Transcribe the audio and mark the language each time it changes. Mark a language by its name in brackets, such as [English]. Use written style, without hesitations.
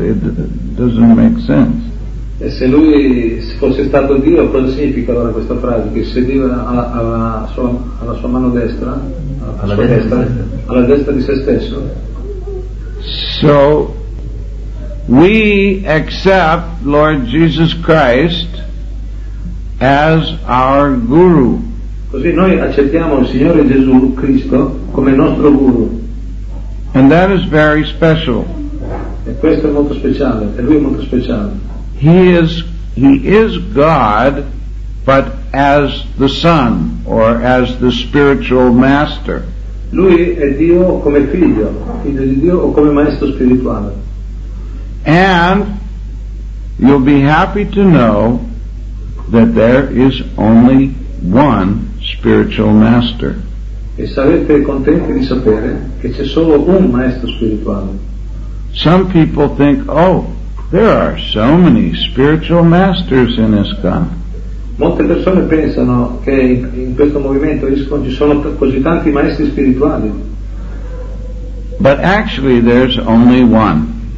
[English] It doesn't make sense. [Italian] E se lui fosse stato Dio, cosa significa allora questa frase? Che sediva alla sua mano destra, alla destra di se stesso? [English] So, we accept Lord Jesus Christ as our guru. [Italian] Così noi accettiamo il Signore Gesù Cristo come nostro guru. [English] And that is very special. [Italian] E questo è molto speciale, e lui è molto speciale. [English] He is He is God, but as the Son, or as the spiritual master. [Italian] Lui è Dio come figlio, figlio di Dio o come maestro spirituale. [English] And you'll be happy to know that there is only one spiritual master. [Italian] E sarete contenti di sapere che c'è solo un maestro spirituale. [English] Some people think, oh, there are so many spiritual masters in ISKCON. [Italian] Molte persone pensano che in questo movimento ISKCON ci sono così tanti maestri spirituali. [English] But actually there's only one.